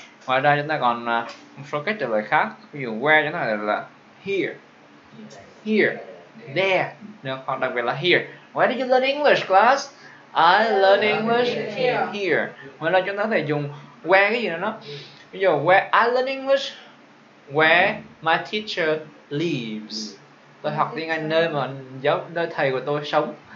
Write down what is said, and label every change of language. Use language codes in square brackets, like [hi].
[vi] Ngoài ra chúng ta còn một số cách trả lời khác. Ví dụ where chúng ta gọi là here. Here. There. Được, hoặc đặc biệt là [en] here. Where did you learn English, class? I learned English here. [vi] Ngoài ra chúng ta có thể dùng where cái gì nữa đó. Ví dụ, [en] where I learn English, where my teacher lives. [vi] Tôi học tiếng Anh nơi mà nơi thầy của tôi sống.